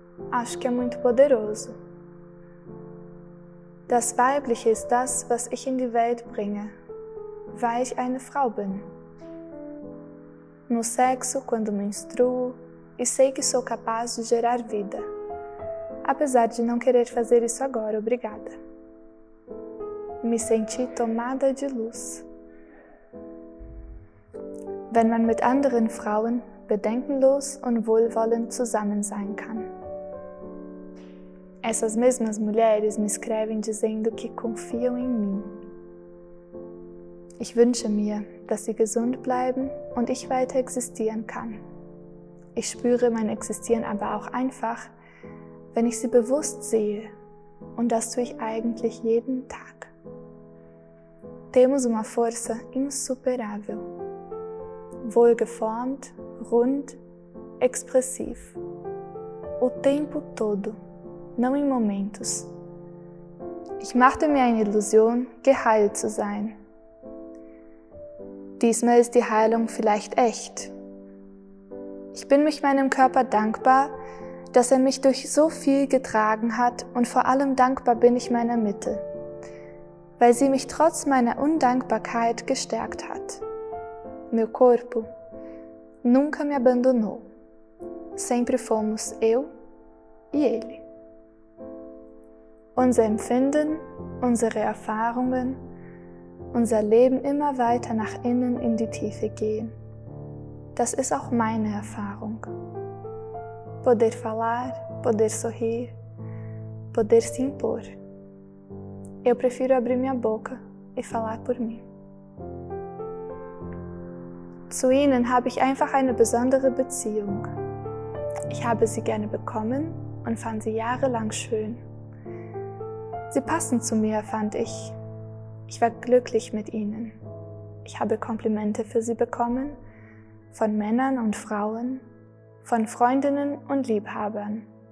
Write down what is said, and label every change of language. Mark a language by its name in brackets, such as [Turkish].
[Portuguese] Acho que é muito poderoso. [German] Das Weibliche ist das, was ich in die Welt bringe, weil ich eine Frau bin. [Portuguese] No sexo, quando menstruo, e sei que sou capaz de gerar vida. Apesar de não querer fazer isso agora, obrigada. Me senti tomada de luz. [German] Wenn man mit anderen Frauen bedenkenlos und wohlwollend zusammen sein kann. [Portuguese] Essas mesmas mulheres me escrevem dizendo que confiam em mim. [German] Ich wünsche mir, dass sie gesund bleiben und ich weiter existieren kann. Ich spüre mein Existieren aber auch einfach, wenn ich sie bewusst sehe, und das tue ich eigentlich jeden Tag. [Portuguese] Temos uma força insuperável. [German] Wohlgeformt, rund, expressiv. [Portuguese] O tempo todo, não em momentos. [German] Ich machte mir eine Illusion, geheilt zu sein. Diesmal ist die Heilung vielleicht echt. Ich bin mich meinem Körper dankbar, dass er mich durch so viel getragen hat und vor allem dankbar bin ich meiner Mitte, weil sie mich trotz meiner Undankbarkeit gestärkt hat. [Portuguese] Meu corpo nunca me abandonou. Sempre fomos eu e ele. [German] Unser Empfinden, unsere Erfahrungen, unser Leben immer weiter nach innen in die Tiefe gehen. Das ist auch meine Erfahrung. [Portuguese] Poder falar, poder sorrir, poder se impor. Eu prefiro abrir minha boca e falar por mim. [German] Zu ihnen habe ich einfach eine besondere Beziehung. Ich habe sie gerne bekommen und fand sie jahrelang schön. Sie passen zu mir, fand ich. Ich war glücklich mit ihnen. Ich habe Komplimente für sie bekommen, von Männern und Frauen, von Freundinnen und Liebhabern.